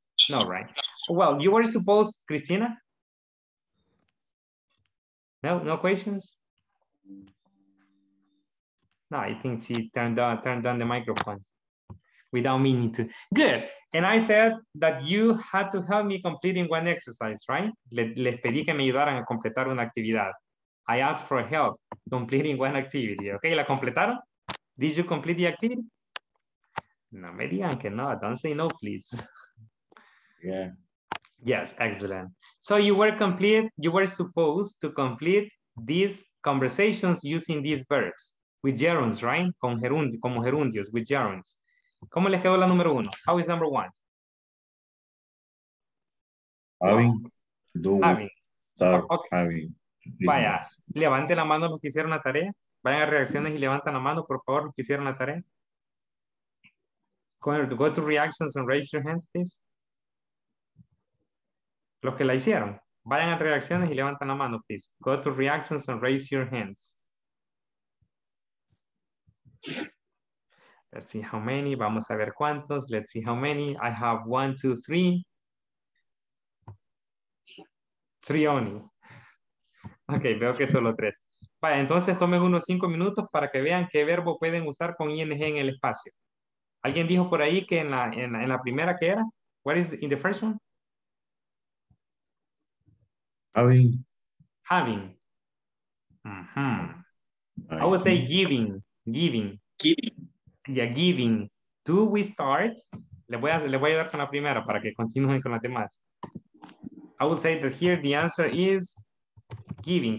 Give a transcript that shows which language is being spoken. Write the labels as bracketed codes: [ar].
[en] No, right. Well, you were supposed, Cristina? No, no questions? No, I think she turned down the microphone without meaning to. Good. And I said that you had to help me completing one exercise, right? [es] Les pedí que me ayudaran a completar una actividad. [en] I asked for help completing one activity. Okay, [es] ¿la completaron? [en] Did you complete the activity? [es] No me digan que no. [en] Don't say no, please. Yeah. Yes, excellent. So you were complete, you were supposed to complete these conversations using these verbs with gerunds, right? [es] Con gerundi, como gerundios, [en] with gerunds. [es] ¿Cómo les quedó la número uno? [en] How is number one? Having. Having. Sorry. Okay. Having. [es] Vaya, levante la mano los que hicieron la tarea. Vayan a reacciones y levanten la mano, por favor, los que hicieron la tarea. [en] Go to reactions and raise your hands, please. [es] Los que la hicieron, vayan a reacciones y levantan la mano, please. [en] Go to reactions and raise your hands. Let's see how many. [es] Vamos a ver cuántos. [en] Let's see how many. I have one, two, three. Three only. [es] Ok, veo que solo tres. Vaya, entonces tomen unos cinco minutos para que vean qué verbo pueden usar con ing en el espacio. ¿Alguien dijo por ahí que en la primera qué era? [en] What is in the first one? Having. Having. Uh-huh. I would say giving. Giving. Giving. Yeah, giving. Do we start? [es] Le voy a ayudar con la primera para que continúen con las demás. [en] I would say that here the answer is giving.